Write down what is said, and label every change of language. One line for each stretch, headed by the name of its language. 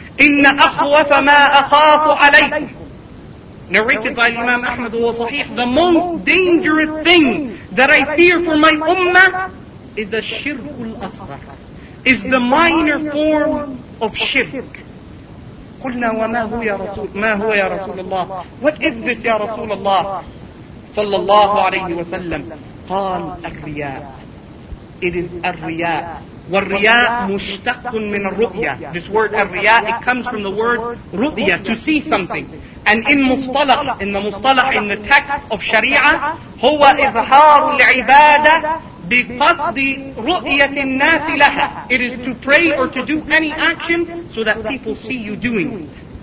Arabic: إِنَّ أَخْوَفَ مَا أَخَافُ عَلَيْكُمْ,
English: narrated by Imam Ahmad wa Sahih, the most dangerous thing that I fear for my ummah is a shirk al-asghar, is the minor form of shirk.
Arabic: قُلْنَا وَمَا هُوَ يَا رَسُولَ اللَّهِ,
English: what is this ya Rasulullah sallallahu alayhi wa sallam?
Arabic: قال الرياء,
English: it is
Arabic: الرياء. وَالرِّيَاء مُشْتَقٌ مِّنَ الرُّؤْيَا.
English: This word الرِّيَاء, it comes from the word رُؤْيَا, to see something. And in مُصْطَلَق, in the مُصْطَلَق, in the text of Sharia,
Arabic: هُوَ إِظْهَارُ الْعِبَادَةِ بِقَصْدِ رُؤْيَةِ النَّاسِ لَهَا.
English: It is to pray or to do any action so that people see you doing it.